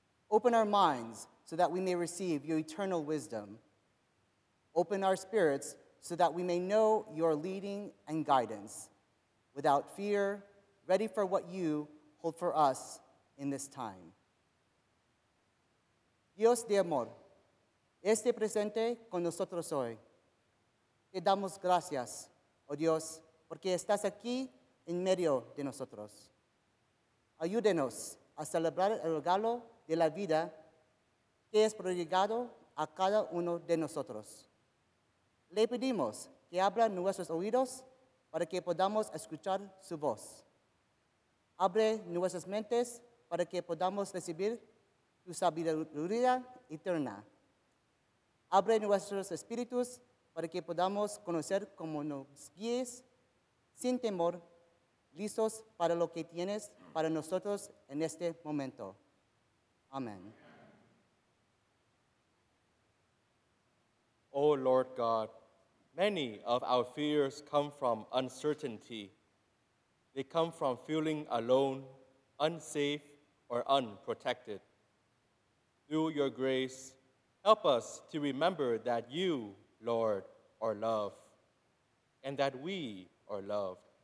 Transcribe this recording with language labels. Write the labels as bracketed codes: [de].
[en] Open our minds so that we may receive your eternal wisdom. Open our spirits so that we may know your leading and guidance. Without fear, ready for what you hold for us in this time. [es] Dios de amor, esté presente con nosotros hoy. Te damos gracias, oh Dios, porque estás aquí en medio de nosotros. Ayúdenos a celebrar el regalo de la vida que es prodigado a cada uno de nosotros. Le pedimos que abra nuestros oídos para que podamos escuchar su voz. Abre nuestras mentes para que podamos recibir tu sabiduría eterna. Abre nuestros espíritus para que podamos conocer como nos guíes, sin temor, listos para lo que tienes para nosotros en este momento. [en] Amen. Oh Lord God, many of our fears come from uncertainty. They come from feeling alone, unsafe, or unprotected. Through your grace, help us to remember that you, Lord, are love, and that we are loved.